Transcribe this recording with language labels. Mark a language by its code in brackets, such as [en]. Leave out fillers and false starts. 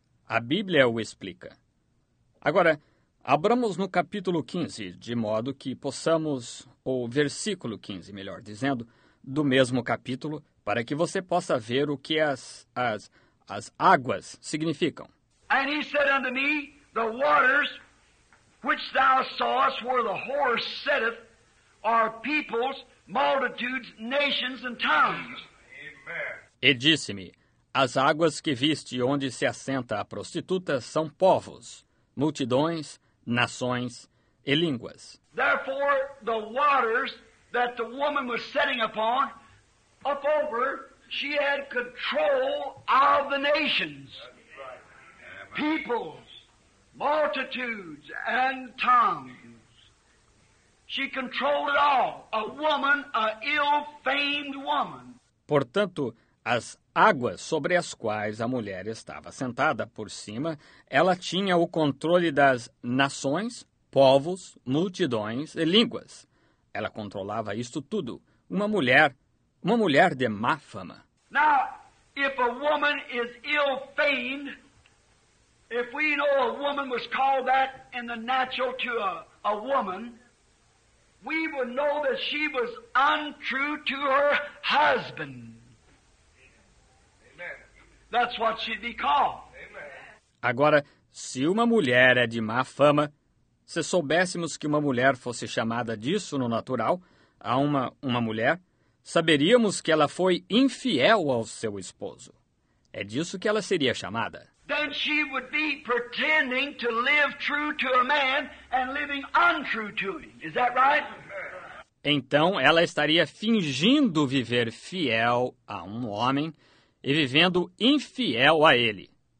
[pt] A Bíblia o explica. Agora, abramos no capítulo 15, de modo que possamos, ou versículo 15, melhor dizendo, do mesmo capítulo, para que você possa ver o que as águas significam. [en] And he said unto me, the waters which thou sawest where the whore setteth are peoples, multitudes, nations, and tongues. [pt] E disse-me, as águas que viste onde se assenta a prostituta são povos, multidões, nações e línguas. [en] Therefore, the waters that the woman was setting upon, up over, she had control of the nations, peoples, multitudes, and tongues. She controlled it all. A woman, a ill-famed woman. [pt] Portanto, as águas sobre as quais a mulher estava sentada por cima, ela tinha o controle das nações, povos, multidões e línguas. Ela controlava isto tudo. Uma mulher de má fama. [en] Now, if a woman is ill-famed, if we know a woman was called that in the natural to a woman, we would know that she was untrue to her husband. That's what she'd be called. [pt] Agora, se uma mulher é de má fama, se soubéssemos que uma mulher fosse chamada disso no natural, a uma mulher, saberíamos que ela foi infiel ao seu esposo. É disso que ela seria chamada. [en] Then she would be pretending to live true to a man and living untrue to him. Is that right? [pt] Então, ela estaria fingindo viver fiel a um homem e vivendo infiel a ele.